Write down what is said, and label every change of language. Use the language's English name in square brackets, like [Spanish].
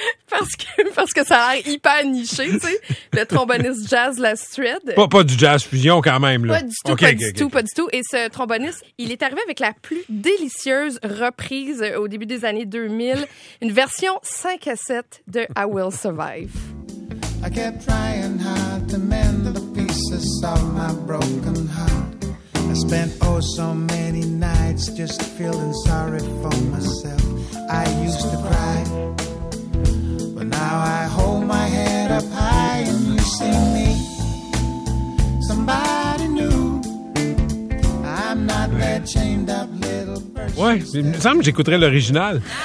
[French] Parce que ça a l'air hyper niché, tu sais. Le tromboniste jazz de la Suède. Pas du jazz fusion quand même, là. Pas du tout, pas du tout. Et ce tromboniste, il est arrivé avec la plus délicieuse reprise au début des années 2000. Une version 5 à 7 de I Will Survive. [English] I kept trying hard to mend the pieces of my broken heart. I spent oh so many nights just feeling sorry for myself. I used to cry. Now I hold my head up high and you see me. Somebody new. I'm not that chained up little person. [French] Ouais, il me semble que j'écouterais l'original.